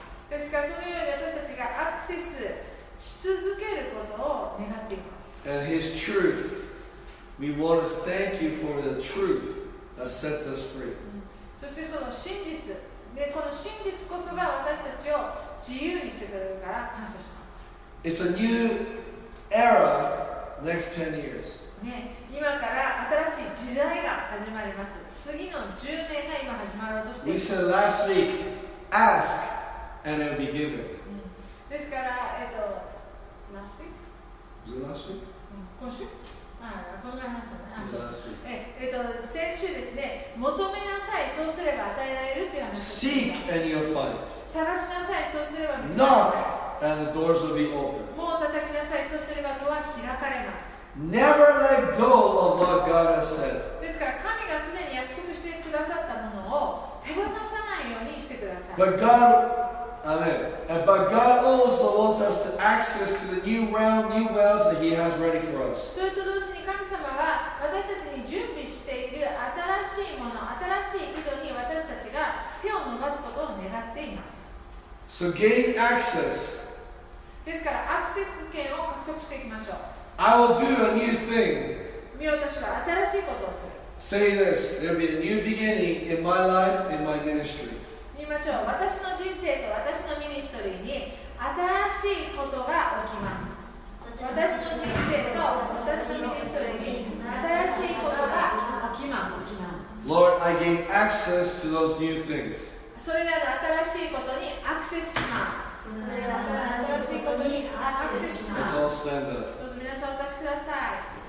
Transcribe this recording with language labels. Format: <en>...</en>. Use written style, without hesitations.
<ja>ですからそのように私たちがアクセスし続けることを願っています。</ja> <en>And His truth, we want to thank you for the truth that sets us free.</en> <ja>そしてその真実、ね、この真実こそが私たちを自由にしてくれるから感謝します。</ja> <en>It's a new era next 10 years.</en> <ja>ね、今から新しい時代が始まります。次の10年が今始まろうとしています</ja> <en>。We said last week, ask. And it will be given.</en> <ja>ですから、</ja> <en>last week? Was it last week?</en> <ja>今週?ああ、この前話したね。</ja> <en>It was last week.</en> <ja>先週ですね、求めなさい、そうすれば与えられるという話です。</ja> <en>Seek and you'll find.</en> <ja>探しなさい、そうすれば見つかる。</ja> <en>Knock and the doors will be opened.</en> <ja>門を叩きなさい、そうすればドア開かれます。</ja> <en>Never let go of what God has said.</en> <ja>ですから、神がすでに約束してくださったものを手放さないようにしてください。</ja> <en>But God... Amen. But God also wants us to access to the new realm, new wells that He has ready for us.</en> <ja>それと同時に神様は私たちに準備している新しいもの、新しい井戸に私たちが手を伸ばすことを願っています。</ja> <en>So gain access.</en> <ja>ですからアクセス権を獲得していきましょう。</ja> <en>I will do a new thing.</en> <ja>私は新しいことをする。</ja> <en>Say this, there will be a new beginning in my life, in my ministry.</en> <ja>言いましょう。私の人生と私のミニストリーに新しいことが起きます。私の人生と私のミニストリーに新しいことが起きます。</ja> <en>Lord, I gain access to those new things.</en> <ja>それらの新しいことにアクセスします。</ja> <en>Let's all stand up.</en> <ja>どうぞ皆さんお立ちください。</ja>